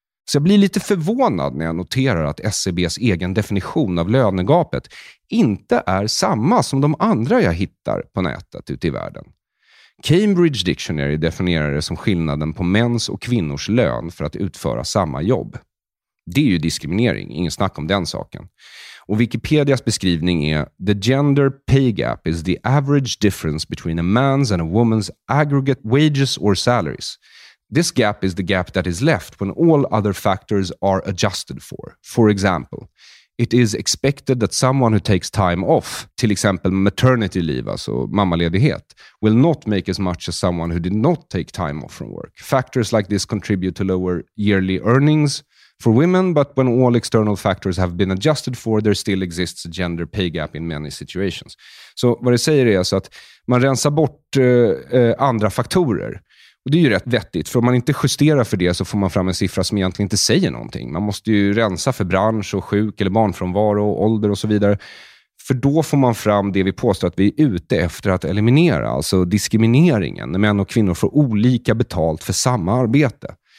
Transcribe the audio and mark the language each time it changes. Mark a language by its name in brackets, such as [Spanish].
[Swedish] Så jag blir lite förvånad när jag noterar att SCBs egen definition av lönegapet inte är samma som de andra jag hittar på nätet ute i världen. Cambridge Dictionary definierar det som skillnaden på mäns och kvinnors lön för att utföra samma jobb. Det är ju diskriminering, ingen snack om den saken. Och Wikipedias beskrivning är: [English] "The gender pay gap is the average difference between a man's and a woman's aggregate wages or salaries. This gap is the gap that is left when all other factors are adjusted for. For example, it is expected that someone who takes time off, [Swedish] till exempel [English] maternity leave, [Swedish] alltså mammaledighet, [English] will not make as much as someone who did not take time off from work. Factors like this contribute to lower yearly earnings for women, but when all external factors have been adjusted for, there still exists a gender pay gap in many situations." [Swedish] Så vad det säger är alltså att man rensar bort andra faktorer. Och det är ju rätt vettigt, för om man inte justerar för det så får man fram en siffra som egentligen inte säger någonting. Man måste ju rensa för bransch och sjuk eller barnfrånvaro och ålder och så vidare. För då får man fram det vi påstår att vi är ute efter att eliminera, alltså diskrimineringen när män och kvinnor får olika betalt för samma arbete.